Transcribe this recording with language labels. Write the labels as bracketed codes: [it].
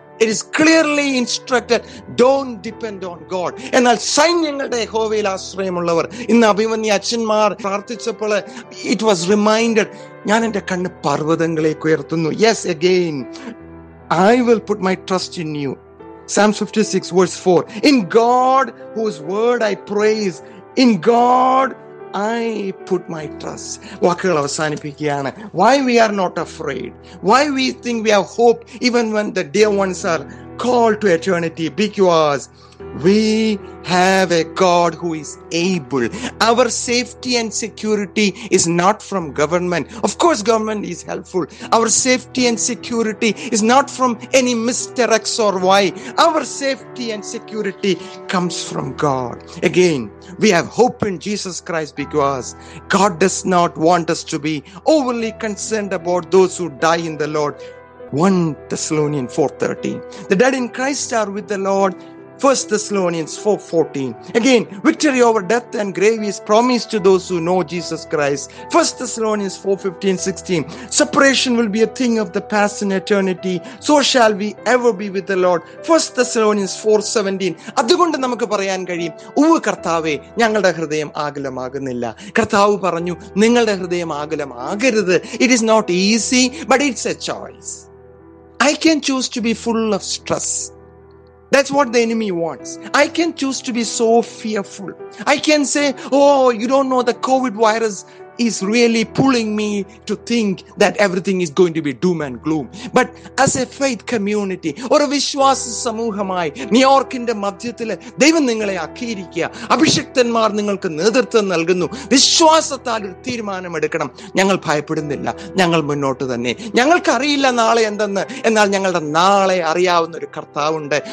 [en] It is clearly instructed, don't depend on God. [ml] എന്നാൽ സൈന്യങ്ങളുടെ യഹോവയിൽ ആശ്രയമുള്ളവർ. ഇന്ന് അഭിമന്യ അച്ഛന്മാർ പ്രാർത്ഥിച്ചപ്പോൾ [en] it was reminded, [ml] ഞാൻ എൻ്റെ കണ്ണ് പർവ്വതങ്ങളേക്ക് ഉയർത്തുന്നു. [en] Yes again, I will put my trust in you. Psalms 56 verse 4, in God whose word I praise, in God I put my trust. [ml] വാക്കുകൾ അവസാനിപ്പിക്കുകയാണ്. [en] Why we are not afraid? Why we think we have hope even when the dear ones are called to eternity? Because we have a God who is able. Our safety and security is not from government. Of course, government is helpful. Our safety and security is not from any Mr. X or Y. Our safety and security comes from God. Again, we have hope in Jesus Christ because God does not want us to be overly concerned about those who die in the Lord. 1 Thessalonians 4:13. The dead in Christ are with the Lord. 1 Thessalonians 4:14. Again, victory over death and grave is promised to those who know Jesus Christ. 1 Thessalonians 4:15, 16. Separation will be a thing of the past in eternity. So shall we ever be with the Lord. 1 Thessalonians 4:17. [ml] അതുകൊണ്ട് നമുക്ക് പറയാൻ കഴിയും, ഉവ്വ് കർത്താവേ, ഞങ്ങളുടെ ഹൃദയം ആകുലമാകുന്നില്ല. കർത്താവ് പറഞ്ഞു, നിങ്ങളുടെ ഹൃദയം ആകുലമാകരുത്. [en] It is not easy, but it's a choice. I can choose to be full of stress. That's what the enemy wants. I can choose to be so fearful. I can say, oh, you don't know, the COVID virus is really pulling me to think that everything is going to be doom and gloom. But as a faith community, [ml] ഒരു വിശ്വാസ സമൂഹമായി ന്യൂയോർക്കിന്റെ മധ്യത്തിൽ ദൈവം നിങ്ങളെ ആക്കിയിരിക്കുക. അഭിഷിക്തന്മാർ നിങ്ങൾക്ക് നേതൃത്വം നൽകുന്നു. വിശ്വാസത്താൽ ഒരു തീരുമാനമെടുക്കണം. ഞങ്ങൾ ഭയപ്പെടുന്നില്ല, ഞങ്ങൾ മുന്നോട്ട് തന്നെ. ഞങ്ങൾക്കറിയില്ല നാളെ എന്തെന്ന്, എന്നാൽ ഞങ്ങളുടെ നാളെ അറിയാവുന്ന ഒരു കർത്താവുണ്ട്.